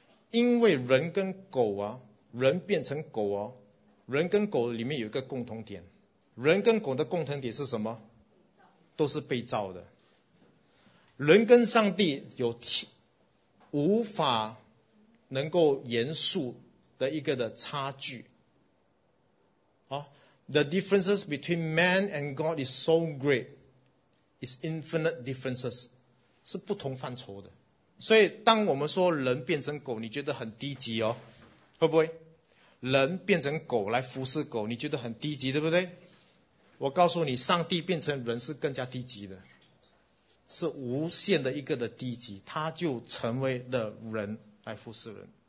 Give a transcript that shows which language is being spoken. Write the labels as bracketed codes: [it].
[zh] 因为人跟狗啊，人变成狗啊，人跟狗里面有一个共同点，人跟狗的共同点是什么？都是被造的。人跟上帝有无法能够严肃的一个的差距。 [en] The differences between man and God is so great. It's infinite differences. 是不同范畴的。 [zh] 所以当我们说人变成狗，你觉得很低级哦，会不会？人变成狗来服侍狗，你觉得很低级，对不对？我告诉你，上帝变成人是更加低级的。是无限的一个的低级，他就成为了人来服侍人。